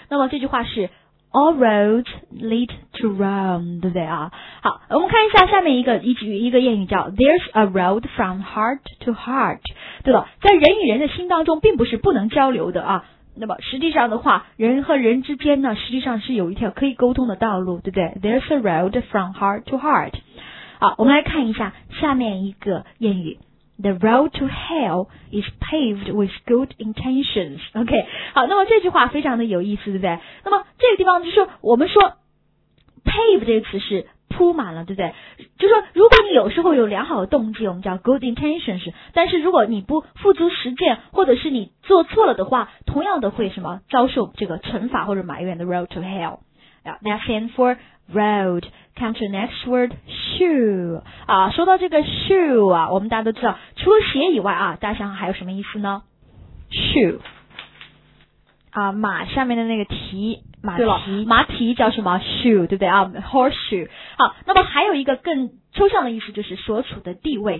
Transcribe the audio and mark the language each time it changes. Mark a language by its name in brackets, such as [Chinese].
[Chinese] 那么这句话是 [English] all roads lead to Rome， [Chinese] 对不对啊？好，我们看一下下面一个谚语叫 [English] there's a road from heart to heart， [Chinese] 对吧？在人与人的心当中，并不是不能交流的啊。那么实际上的话，人和人之间呢，实际上是有一条可以沟通的道路，对不对？ [English] There's a road from heart to heart。 [Chinese] 好，我们来看一下下面一个谚语 [English] ，The road to hell is paved with good intentions。 [Chinese] OK， 好，那么这句话非常的有意思，对不对？那么这个地方就是我们说 pave 这个词是铺满了，对不对？就说如果你有时候有良好的动机，我们叫 [English] good intentions， [Chinese] 但是如果你不付诸实践，或者是你做错了的话，同样的会什么遭受这个惩罚或者埋怨 ， [English] The road to hell。 Yeah, that stands for road. Come to next word, shoe. [Chinese] 啊，说到这个 shoe 啊，我们大家都知道，除了鞋以外啊，大家想想还有什么意思呢 ？Shoe 啊，马下面的那个蹄，马蹄，对了，马蹄叫什么 ？shoe， 对不对啊 ？Horseshoe。好，那么还有一个更抽象的意思就是所处的地位。